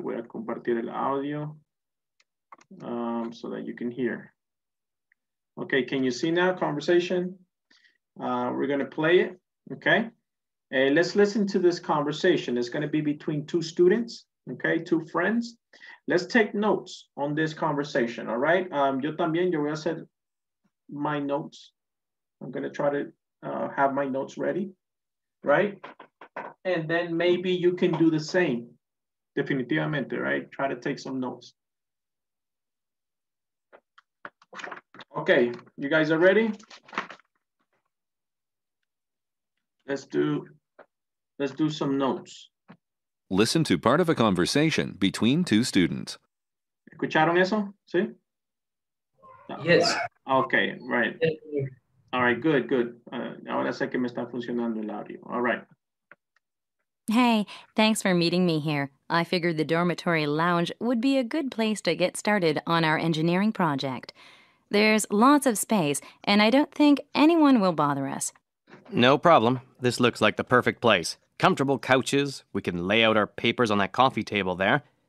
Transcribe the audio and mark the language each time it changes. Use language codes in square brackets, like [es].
[es] Voy a compartir el audio [en] so that you can hear. Okay, can you see now conversation? We're gonna play it, okay? Let's listen to this conversation. It's gonna be between two students, okay, two friends. Let's take notes on this conversation, all right? [es] Yo también, yo voy a hacer [en] my notes. I'm gonna try to have my notes ready, right? And then maybe you can do the same, definitivamente, right? Try to take some notes. Okay, you guys are ready? Let's do some notes. Listen to part of a conversation between two students. [es] ¿Escucharon eso? ¿Sí? [en] Yes. Okay, right. All right, good, good. [es] Ahora sé que me está funcionando el audio. [en] All right. Hey, thanks for meeting me here. I figured the dormitory lounge would be a good place to get started on our engineering project. There's lots of space, and I don't think anyone will bother us. No problem. This looks like the perfect place. Comfortable couches, we can lay out our papers on that coffee table there.